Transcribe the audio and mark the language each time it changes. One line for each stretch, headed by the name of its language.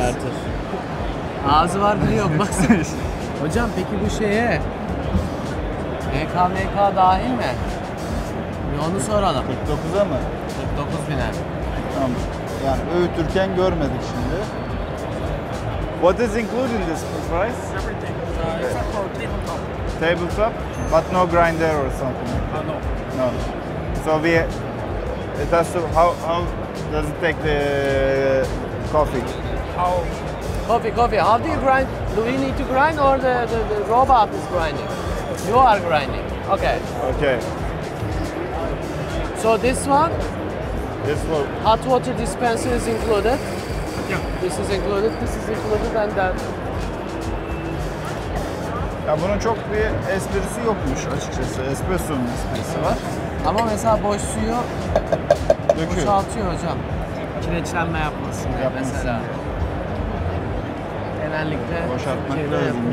Turkish: Çıkartır. Ağzı vardır yok baksana. Hocam peki bu şeye MKMK dahil mi? Bir onu soralım. 49'a mı? 49.000'e. Tamam. Yani öğütürken görmedik şimdi.
English: What is included in this price? Everything. Okay. Except for tabletop. Tabletop? But no grinder or something? No. No. So we... It has to... How does it take the coffee? How? Coffee. How do you grind? Do we need to grind or the robot is grinding? You are grinding. Okay. Okay. So this one? This one. Hot water dispenser is included? Yeah. This is included and that.
Turkish: Ya bunun çok bir esprisi yokmuş açıkçası. Espresso'nun esprisi var. Ama mesela boş suyu boşaltıyor hocam. Kireçlenme yapmasın diye mesela. Genellikle boşaltmak lazım.